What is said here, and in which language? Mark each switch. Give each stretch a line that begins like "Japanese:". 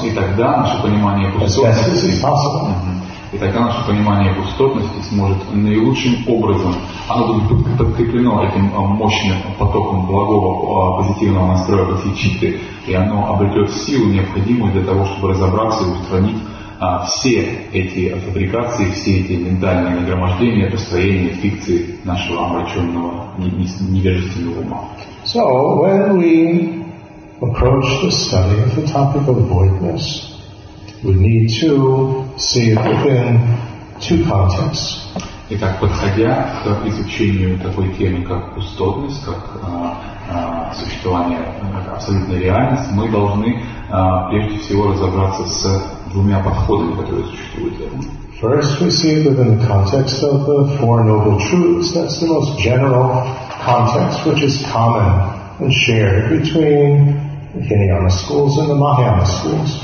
Russian: И тогда наше понимание пустотности,
English: as best as possible.
Russian: И тогда наше понимание пустотности сможет наилучшим образом, оно будет подкреплено этим мощным потоком благого позитивного настроя bodhicitta, и оно обретет силу, необходимую для того, чтобы разобраться и устранить все эти фабрикации, все эти ментальные нагромождения, построения, фикции нашего омраченного невежественного ума.
English: So, when we approach the study of the topic of voidness, we need to see it within two contexts.
Russian: Итак, подходя к изучению такой темы, как пустотность, как существование абсолютной реальности, мы должны прежде всего разобраться с двумя подходами, которые существуют.
English: First, we see it within the context of the Four Noble Truths. That's the most general context, which is common and shared between Hinayana schools and the Mahayana schools.